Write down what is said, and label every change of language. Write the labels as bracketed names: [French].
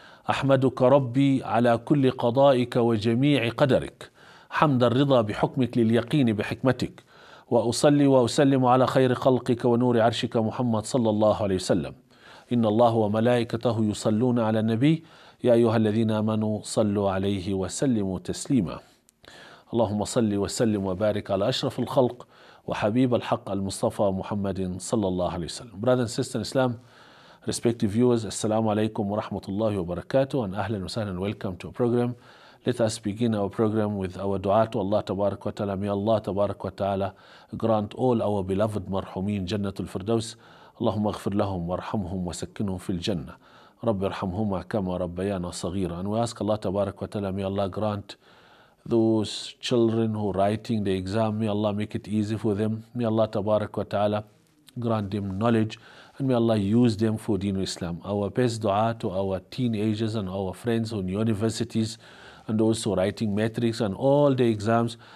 [Arabic] أحمدك ربي على كل قضائك وجميع قدرك، حمد الرضا بحكمك لليقين بحكمتك، وأصلي وأسلم على خير خلقك ونور عرشك محمد صلى الله عليه وسلم. إن الله وملائكته يصلون على النبي، يا أيها الذين آمنوا صلوا عليه وسلموا تسليما. اللهم صل وسلم وبارك على أشرف الخلق وحبيب الحق المصطفى محمد صلى الله عليه وسلم. [English] Brothers and sisters in Islam, respective viewers, [Arabic] السلام عليكم ورحمة الله وبركاته, [English] and [Arabic] أهلا وسهلا, [English] welcome to our program. Let us begin our program with our dua to Allah [Arabic] تبارك وتعالى. [English] May Allah [Arabic] تبارك وتعالى [English] grant all our beloved [Arabic] مرحومين جنة الفردوس. اللهم اغفر لهم وارحمهم وسكنهم في الجنة. رب ارحمهما كما ربيانا صغيرا. [English] And we ask Allah [Arabic] تبارك وتعالى, [English] may Allah grant those children who are writing the exam, may Allah make it easy for them. May Allah [Arabic] تبارك وتعالى [English] grant them knowledge, and may Allah use them for Deen Islam. Our best dua to our teenagers and our friends in universities, and also writing matrics and all the exams.